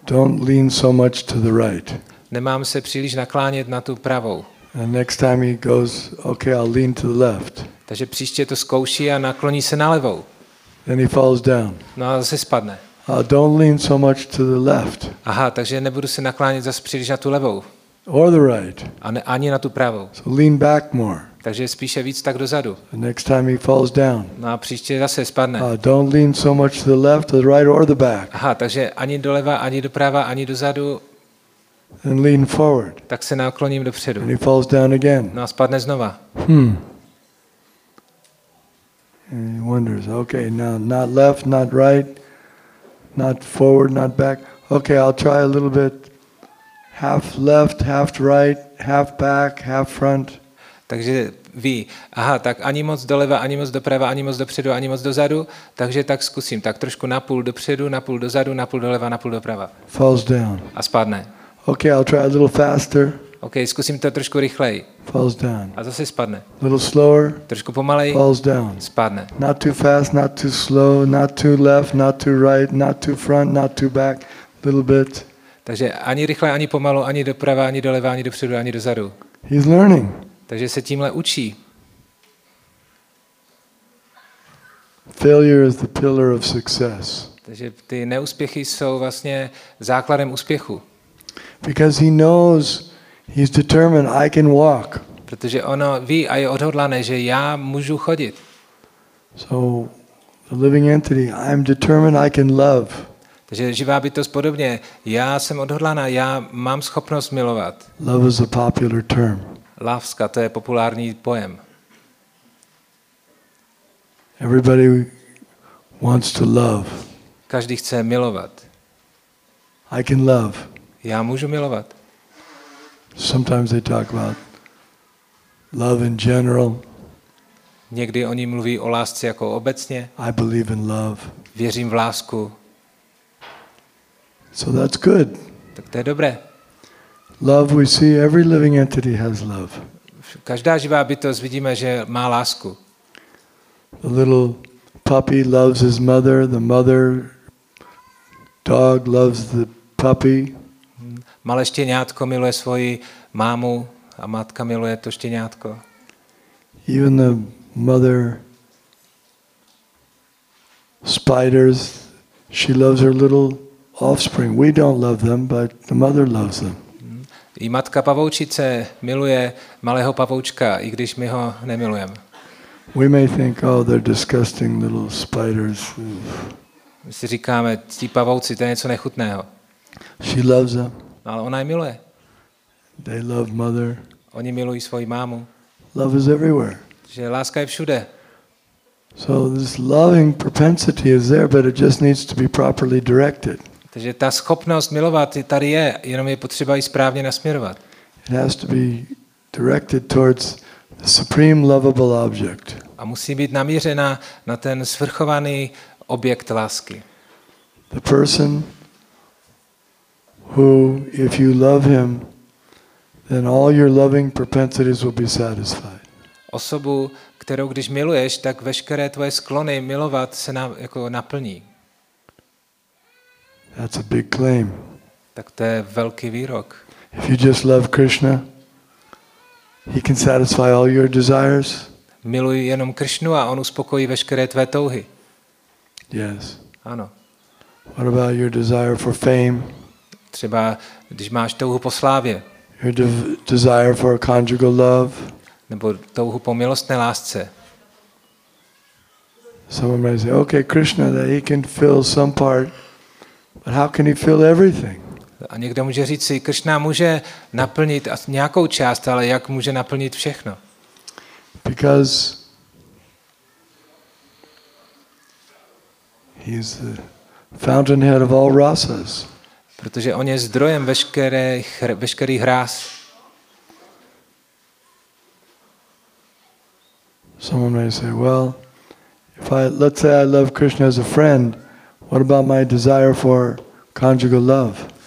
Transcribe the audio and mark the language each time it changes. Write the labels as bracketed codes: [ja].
[en] Don't lean so much to the right. [cs] Nemám se příliš naklánět na tu pravou. [en] And next time he goes, okay, I'll lean to the left. [cs] Takže příště to zkouší a nakloní se na levou. [en] Then he falls down. [cs] No a zase spadne. [en] Don't lean so much to the left. [cs] Aha, takže nebudu se naklánět zase příliš na tu levou. [en] Or the right. [cs] Ani na tu pravou. [en] So lean back more. [cs] Takže spíše víc tak dozadu. [en] The next time he falls down. [cs] No a příště zase spadne. [en] Don't lean so much to the left, to the right or the back. [cs] Aha, takže ani doleva, ani doprava, ani dozadu. [en] And lean forward. [cs] Tak se nakloním dopředu. [en] And he falls down again. [cs] No a spadne znova. [en] And he wonders, okay, now not left, not right, not forward, not back. Okay, I'll try a little bit. Half left, half right, half back, half front. [cs] Takže ví, aha, tak ani moc doleva, ani moc doprava, ani moc dopředu, ani moc dozadu, takže tak zkusím, tak trošku napůl dopředu, napůl dozadu, napůl doleva, napůl doprava. [en] Falls down. [cs] A spadne. [en] Okay, I'll try a little faster. [cs] Okay, zkusím to trošku rychleji. [en] Falls down. [cs] A zase spadne. [en] A little slower. [cs] Trošku pomalej. [en] Falls down. [cs] Spadne. [en] Not too fast, not too slow, not too left, not too right, not too front, not too back. A little bit. [cs] Takže ani rychle, ani pomalu, ani doprava, ani doleva, ani dopředu, ani dozadu. [en] He's learning. [cs] Takže se tímhle učí. [en] Failure is the pillar of success. [cs] Takže ty neúspěchy jsou vlastně základem úspěchu. [en] Because he knows, he's determined, I can walk. [cs] Protože ono ví a je odhodlané, že já můžu chodit. [en] So the living entity, I'm determined, I can love. [cs] Takže živá bytost podobně. Já jsem odhodlaná, já mám schopnost milovat. [en] Love is a popular term. [cs] Láska, to je populární pojem. [en] Everybody wants to love. [cs] Každý chce milovat. [en] I can love. [cs] Já můžu milovat. [en] Sometimes they talk about love in general. [cs] Někdy oni mluví o lásce jako obecně. [en] I believe in love. [cs] Věřím v lásku. [en] So that's good. [cs] Tak to je dobré. [en] Love, we see every living entity has love. [cs] Každá živá bytost vidíme, že má lásku. [en] The little puppy loves his mother, the mother dog loves the puppy. [cs] Malé štěňátko miluje svoji mámu a matka miluje to štěňátko. [en] Even the mother spiders, she loves her little offspring. We don't love them, but the mother loves them. [cs] I matka pavoučice miluje malého pavoučka, i když my ho nemilujeme. [en] We may think, oh, they're disgusting little spiders. [cs] My si říkáme, ti pavouci, to je něco nechutného. [en] She loves them. [cs] No, ale ona je miluje. [en] They love mother. [cs] Oni milují svoji mámu. [en] Love is everywhere. [cs] Že láska je všude. [en] So this loving propensity is there, but it just needs to be properly directed. [cs] Takže ta schopnost milovat tady je, jenom je potřeba ji správně nasměrovat. [en] It has to be directed towards the supreme lovable object. [cs] A musí být namířena na ten svrchovaný objekt lásky. [en] The person who, if you love him, then all your loving propensities will be satisfied. [cs] Osobu, kterou když miluješ, tak veškeré tvoje sklony milovat se na, jako naplní. [en] That's a big claim. [cs] Tak to je velký výrok. [en] If you just love Krishna, he can satisfy all your desires. [cs] Miluj jenom Krishnu a on uspokojí veškeré tvé touhy. [en] Yes. [cs] Ano. [en] What about your desire for fame? [cs] Třeba když máš touhu po slávě. [en] Your desire for a conjugal love. [cs] Nebo touhu po milostné lásce. [en] Someone may say, okay, Krishna, that he can fill some part. But how can he fill everything? [cs] A někdo může říct si, Krishna může naplnit nějakou část, ale jak může naplnit všechno? [en] Because he is the fountainhead of all rasas. [cs] Protože on je zdrojem veškerých rás. [en] Someone may say, well, if I let's say I love Krishna as a friend, what about my desire for conjugal love?